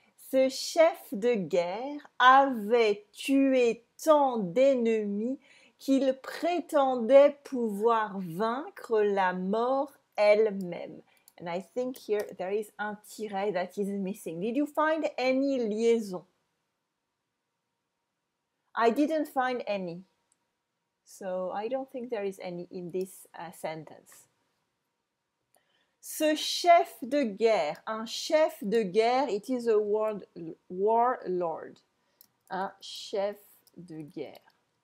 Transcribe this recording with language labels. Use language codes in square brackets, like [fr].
[fr] Ce chef de guerre avait tué tant d'ennemis qu'il prétendait pouvoir vaincre la mort elle-même. [en] And I think here there is un tiret that is missing. Did you find any liaison? I didn't find any. So I don't think there is any in this sentence. [fr] Ce chef de guerre, un chef de guerre, [en] it is a warlord, [fr] un chef de guerre.